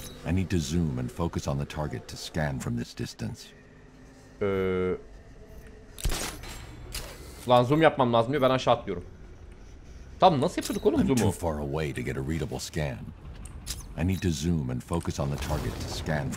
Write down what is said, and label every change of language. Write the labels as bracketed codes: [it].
[en] I need to zoom and focus on the target to scan from this distance. [tr] Lan zoom yapmam lazım diyor. Ben aşağı atlıyorum. Tam nasıl yapıyorduk oğlum zoom'u? [en] I'm too far away to get a readable scan. I need to zoom and focus on the target to scan from this